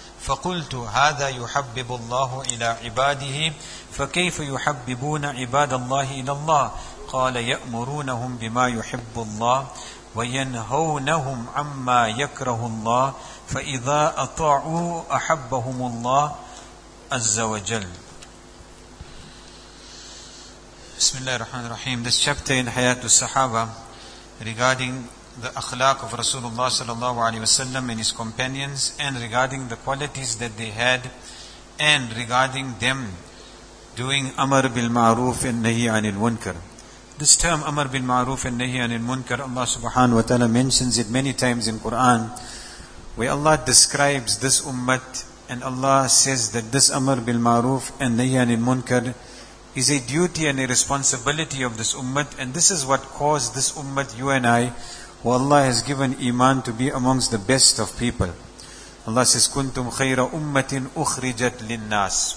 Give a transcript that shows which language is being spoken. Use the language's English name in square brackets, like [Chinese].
[Arabic] فقلت: هذا يحبب الله إلى عباده، فكيف يحببون عباد الله إلى الله؟ قال: يأمرونهم بما يحب الله وينهونهم عما يكره الله، فإذا أطاعوا أحبهم الله عز وجل. بسم الله الرحمن الرحيم. [English] This chapter in Hayat al-Sahaba regarding the akhlaq of Rasulullah sallallahu alayhi wasallam and his companions, and regarding the qualities that they had, and regarding them doing amar bil ma'roof and nahi anil munkar. This term amar bil ma'roof and nahi anil munkar, Allah subhanahu wa ta'ala mentions it many times in Quran, where Allah describes this ummah and Allah says that this amar bil ma'roof and nahi anil munkar is a duty and a responsibility of this ummah, and this is what caused this ummah, you and I, who Allah has given iman, to be amongst the best of people. Allah says, [Arabic] كُنْتُمْ خَيْرَ أُمَّةٍ أُخْرِجَتْ لِلنَّاسِ.